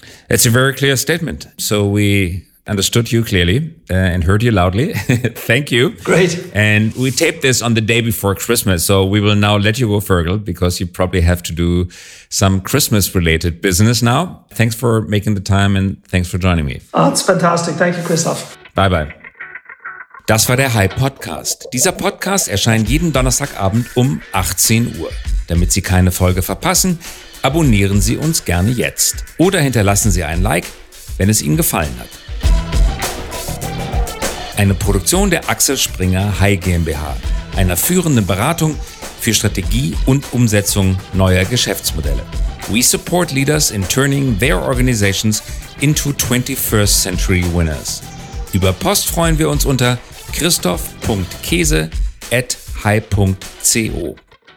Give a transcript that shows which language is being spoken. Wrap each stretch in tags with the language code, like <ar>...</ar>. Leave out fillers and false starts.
<en>It's a very clear statement. So we understood you clearly and heard you loudly. Thank you. Great. And we taped this on the day before Christmas. So we will now let you go, Fergal, because you probably have to do some Christmas-related business now. Thanks for making the time and thanks for joining me. Oh, that's fantastic. Thank you, Christoph. Bye-bye.</en> <de>Das war der High Podcast. Dieser Podcast erscheint jeden Donnerstagabend um 18 Uhr. Damit Sie keine Folge verpassen, abonnieren Sie uns gerne jetzt. Oder hinterlassen Sie ein Like, wenn es Ihnen gefallen hat. Eine Produktion der Axel Springer High GmbH, einer führenden Beratung für Strategie und Umsetzung neuer Geschäftsmodelle.</de> <en>We support leaders in turning their organizations into 21st century winners.</en> <de>Über Post freuen wir uns unter christoph.kese@high.co.</de>